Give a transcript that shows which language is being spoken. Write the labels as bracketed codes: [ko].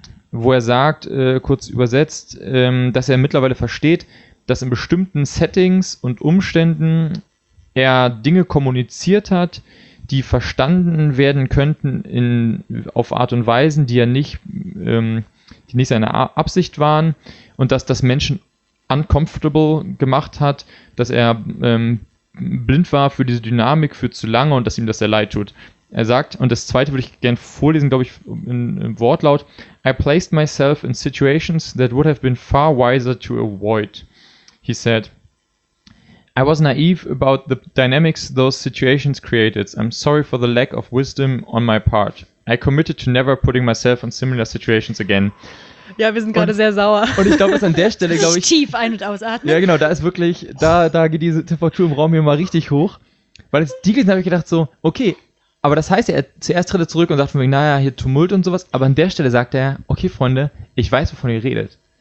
[de] Wo er sagt, kurz übersetzt, dass er mittlerweile versteht, dass in bestimmten Settings und Umständen er Dinge kommuniziert hat, die verstanden werden könnten auf Art und Weisen, die ja nicht, die nicht seine Absicht waren und dass das Menschen uncomfortable gemacht hat, dass er blind war für diese Dynamik für zu lange und dass ihm das sehr leid tut. Er sagt, und das zweite würde ich gerne vorlesen, glaube ich, im Wortlaut, [en] I placed myself in situations that would have been far wiser to avoid, he said. I was naive about the dynamics those situations created. I'm sorry for the lack of wisdom on my part. I committed to never putting myself in similar situations again. [de] Ja, wir sind gerade sehr sauer. Und ich glaube, es ist an der Stelle, glaube ich, tief ein- und ausatmen. Ja, genau, da ist wirklich, da geht diese Temperatur im Raum hier mal richtig hoch. Weil es die gelesen habe ich gedacht so, okay, aber das heißt, er zuerst tritt er zurück und sagt von wegen, naja, hier Tumult und sowas. Aber an der Stelle sagt er, okay, Freunde, ich weiß, wovon ihr redet.